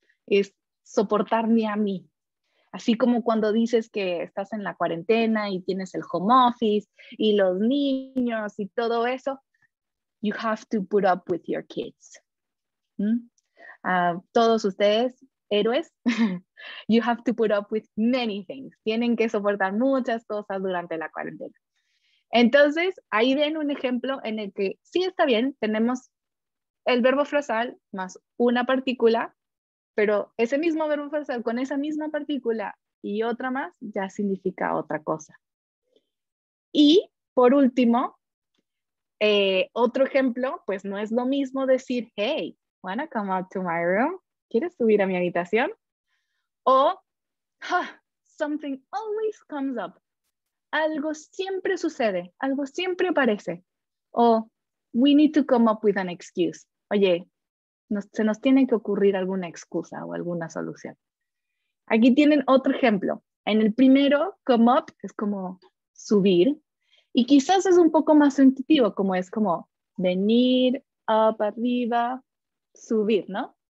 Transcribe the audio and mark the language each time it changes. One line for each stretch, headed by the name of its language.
Spanish: Es soportarme a mí. Así como cuando dices que estás en la cuarentena y tienes el home office y los niños y todo eso,
English: you have to put up with your kids.
Spanish: Todos ustedes, héroes,
English: you have to put up with many things.
Spanish: Tienen que soportar muchas cosas durante la cuarentena. Entonces, ahí ven un ejemplo en el que sí está bien, tenemos el verbo frasal más una partícula, pero ese mismo verbo frasal con esa misma partícula y otra más ya significa otra cosa. Y, por último, otro ejemplo, pues no es lo mismo decir,
English: hey, wanna come up to my room?
Spanish: ¿Quieres subir a mi habitación? O,
English: something always comes up.
Spanish: Algo siempre sucede, algo siempre aparece.
English: O, we need to come up with an excuse.
Spanish: Oye, se nos tiene que ocurrir alguna excusa o alguna solución. Aquí tienen otro ejemplo. En el primero, come up, es como subir. Y quizás es un poco más intuitivo, como es como venir, up, arriba, subir, ¿no?